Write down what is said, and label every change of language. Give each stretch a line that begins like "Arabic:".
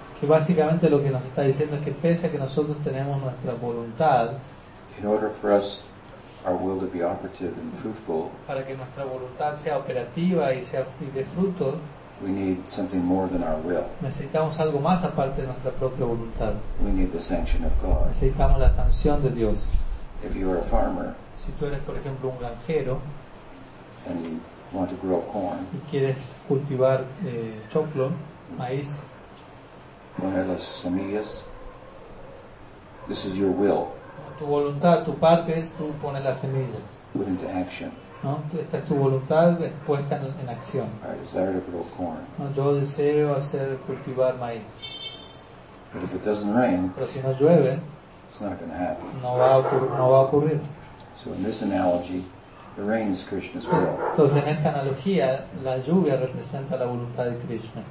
Spanish: Que básicamente lo que nos está diciendo es que pese a que nosotros tenemos nuestra voluntad.
English: In order for us our will to be operative and fruitful.
Spanish: Para que nuestra voluntad sea operativa y sea y de fruto.
English: We need something more than our will.
Spanish: Necesitamos algo más aparte de nuestra propia voluntad.
English: We need the sanction of God.
Spanish: Necesitamos la sanción de Dios.
English: If you are a farmer,
Spanish: si tú eres, por ejemplo, un granjero,
English: and you want to grow corn,
Spanish: y quieres cultivar choclo, maíz, poner las semillas,
English: this is your will.
Spanish: Tu voluntad, tu parte es tú pones las semillas.
English: Put into action.
Spanish: ¿No? Esta es tu voluntad puesta en acción.
English: I desire to grow corn.
Spanish: ¿No? Yo deseo hacer cultivar maíz.
English: But if it doesn't rain,
Spanish: pero si no llueve,
English: it's not going to happen.
Spanish: No va a ocurrir.
English: So in this analogy, the rain is Krishna's will.
Spanish: Entonces en esta analogía, la lluvia representa la voluntad de Krishna.